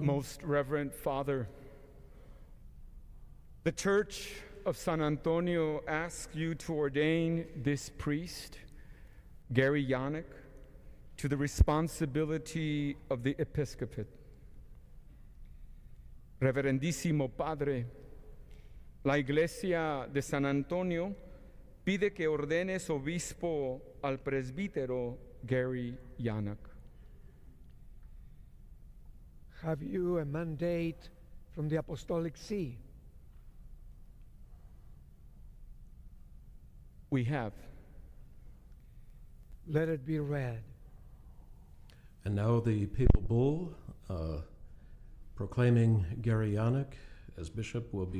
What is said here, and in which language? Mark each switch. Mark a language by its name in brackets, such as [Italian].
[English] Most Reverend Father, the Church of San Antonio asks you to ordain this priest, Gary Janak, to the responsibility of the episcopate. [Spanish] Reverendísimo Padre, la Iglesia de San Antonio pide que ordenes obispo al presbítero Gary Janak. [English] Have you a mandate from the Apostolic See? We have. Let it be read. And now the papal bull proclaiming Gary Janak as bishop will be.